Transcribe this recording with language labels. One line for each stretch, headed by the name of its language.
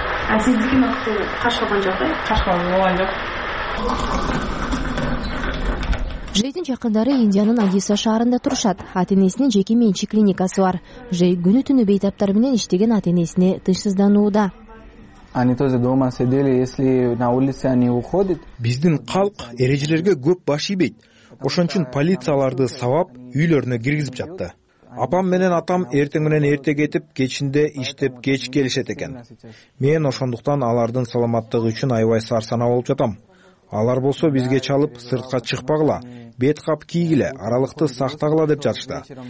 Kyrgyz: А сиздикин окуу каш болгон жок, э? Каш болгон жок. Жейдин жакындары Индиянын Одесса шаарында турушат. Ата энесинин жеке менчик клиникасы бар. Жей күнү түнү бейтаптар менен иштеген ата энесине тынчсызданууда.
Russian: Они тоже дома сидели, если на улице они уходят.
Kyrgyz: Биздин калк эрежелерге көп баш ийбейт. Ошон үчүн полицияларды сабап, үйлөрүнө киргизип жатты. Апам менен атам эртең менен эрте кетип, кечинде иштеп кеч келишет экен. Мен ошондуктан алардын саламаттыгы үчүн аябай сарсанаа болуп жатам. Алар болсо бизге чалып, сыртка чыкпагыла, бет кап кийгиле, аралыкты сактагыла деп жатышты.